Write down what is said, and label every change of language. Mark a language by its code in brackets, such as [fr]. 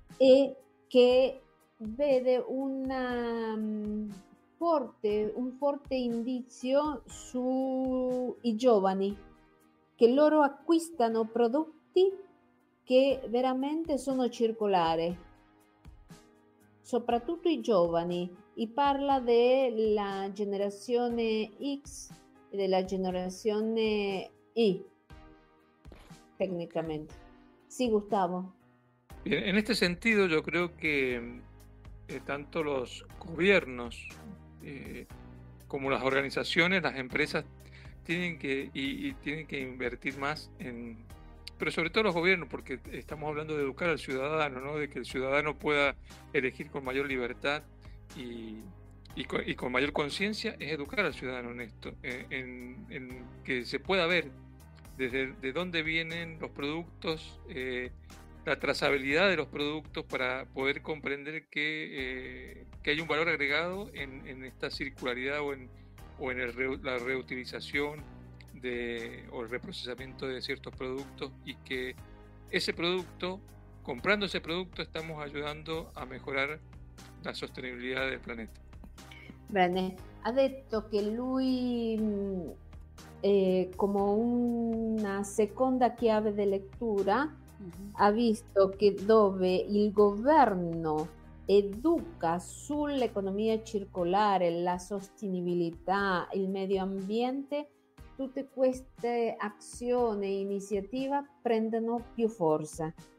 [it] E che vede un forte indizio sui giovani, che loro acquistano prodotti che veramente sono circolari, soprattutto i giovani, e parla della generazione X e della generazione Y, tecnicamente. [es] Sí, Gustavo. Bien, en este sentido, yo creo que tanto los gobiernos como las organizaciones, las empresas, tienen que invertir más en... Pero sobre todo los gobiernos, porque estamos hablando de educar al ciudadano, ¿no? De que el ciudadano pueda elegir con mayor libertad y con mayor conciencia, es educar al ciudadano en esto, en que se pueda ver desde de dónde vienen los productos... la trazabilidad de los productos para poder comprender que hay un valor agregado en esta circularidad o en la reutilización o el reprocesamiento de ciertos productos, y que ese producto, comprando ese producto, estamos ayudando a mejorar la sostenibilidad del planeta. [it] Bene, ha detto che lui è come una seconda chiave di lettura. Ha visto che dove il governo educa sull'economia circolare, la sostenibilità, il medio ambiente, tutte queste azioni e iniziative prendono più forza.